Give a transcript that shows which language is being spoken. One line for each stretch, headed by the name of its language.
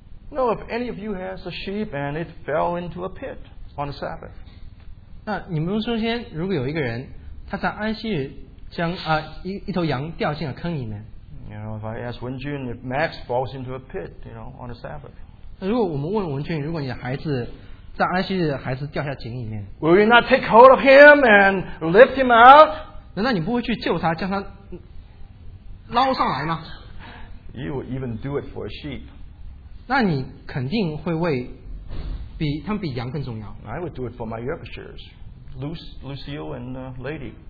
English: No, if any of you has a sheep and it fell into a pit on the Sabbath.
Chinese: 那你们中间如果有一个人，他在安息日将一头羊掉进了坑里面。
English: You know, if I ask Wen Jun if Max falls into a pit, you know, on the Sabbath.
Chinese: 如果我们问文俊，如果你的孩子在安息日，孩子掉下井里面
English: ，Will you not take hold of him and lift him out?
Chinese: 难道你不会去救他，将他捞上来吗
English: ？You would even do it for a sheep.
Chinese: 那你肯定会为比他们比羊更重要。
English: I would do it for my Yorkshires, Lucille and Lady.